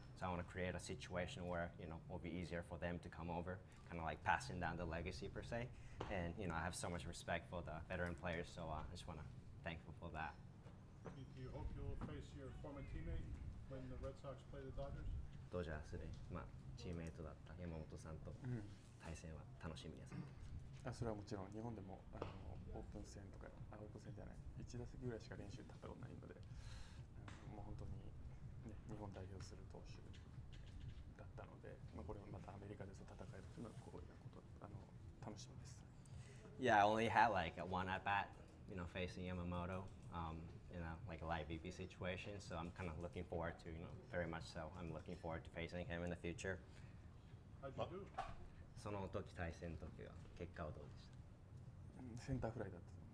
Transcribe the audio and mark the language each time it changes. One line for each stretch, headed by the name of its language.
English: So I want to create a situation where you know it'll be easier for them to come over, kind of like passing down the legacy per se. And you know, I have so much respect for the veteran players, so I just want to thankful for that. Do you hope you'll face your former teammate when the Red Sox play the Dodgers?
Japanese: ドジャースで、まあ、チームメイトだった山本さんと対戦は楽しみです。それはもちろん日本でもあのオープン戦とかあオープン戦じゃない1打席ぐらいしか練習立ったことないので、うん、もう本当に、ね、日本代表する投手だったので、まあ、これもまたアメリカで戦えるというのは光栄なことあの楽しみです
English: Yeah, I only had like one at bat, you know, facing Yamamoto, in a like a live BP situation. So I'm kind of looking forward to, you know, very much so. I'm looking forward to facing him in the future. How'd you do?
Japanese: その時対戦の時は結果はどうでした？センターフライだった。